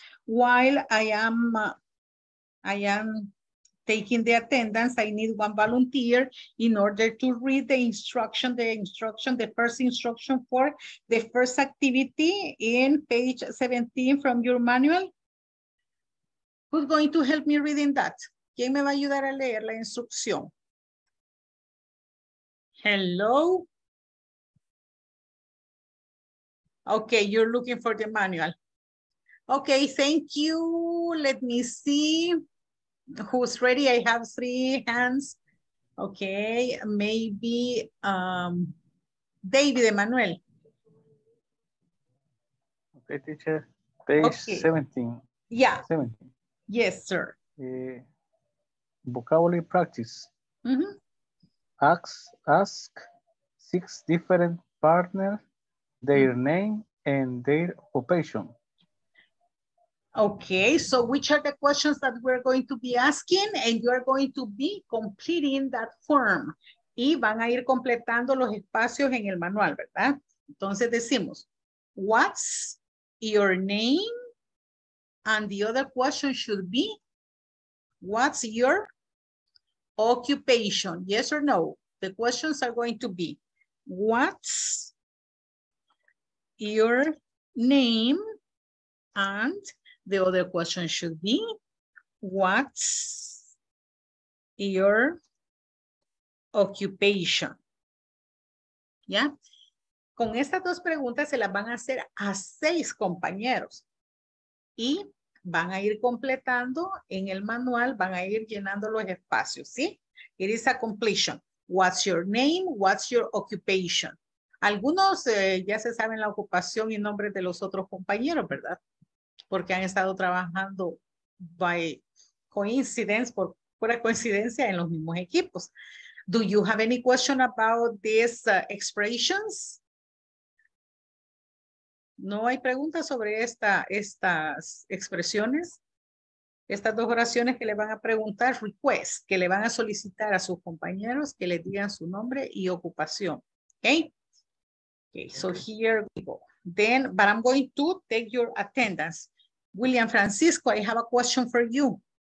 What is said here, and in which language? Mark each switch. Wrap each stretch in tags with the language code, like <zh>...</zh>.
<en>While I am taking the attendance, I need one volunteer in order to read the first instruction for the first activity in page 17 from your manual. Who's going to help me reading that?</en> <es>¿Quién me va a ayudar a leer la instrucción?</es> <en>Hello. Okay, you're looking for the manual. Okay, thank you. Let me see who's ready. I have three hands. Okay, maybe David Emanuel. Okay, teacher, page 17. Yeah. 17. Yes, sir. Vocabulary practice. Mm-hmm. Ask six different partners their name and their occupation. Okay, so which are the questions that we're going to be asking and you're going to be completing that form.</en> <es>Y van a ir completando los espacios en el manual, ¿verdad? Entonces decimos,</es> <en>what's your name? And the other question should be, what's your occupation, yes or no? The questions are going to be, what's your name? And the other question should be, what's your occupation? Yeah.</en> <es>Con estas dos preguntas se las van a hacer a seis compañeros. Y van a ir completando en el manual, van a ir llenando los espacios, ¿sí?</es> <en>It is a completion. What's your name? What's your occupation?</en> <es>Algunos ya se saben la ocupación y nombres de los otros compañeros, ¿verdad? Porque han estado trabajando</es> <en>by coincidence,</en> <es>por pura coincidencia, en los mismos equipos.</es> <en>Do you have any question about these expressions?</en> <es>¿No hay preguntas sobre estas expresiones? Estas dos oraciones que le van a preguntar, request, que le van a solicitar a sus compañeros que le digan su nombre y ocupación.</es> <en>Okay? Okay, so here we go. Then, but I'm going to take your attendance. William Francisco, I have a question for you.</en>